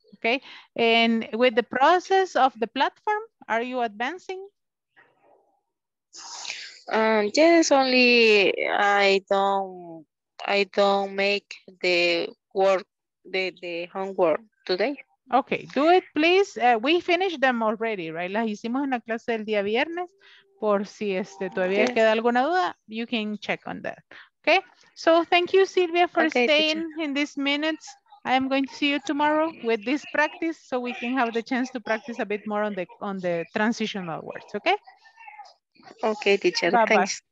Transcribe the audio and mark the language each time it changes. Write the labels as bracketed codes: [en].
[en] Okay, and with the process of the platform, are you advancing? Yes, only I don't make the work, the homework today. Okay, do it, please. We finished them already, right? [es] Las hicimos en la clase del día viernes. Por si todavía queda alguna duda, [en] you can check on that. Okay, so thank you, Silvia, for staying in these minutes. I am going to see you tomorrow with this practice so we can have the chance to practice a bit more on the transitional words, okay? Okay, teacher. Bye-bye. Thanks.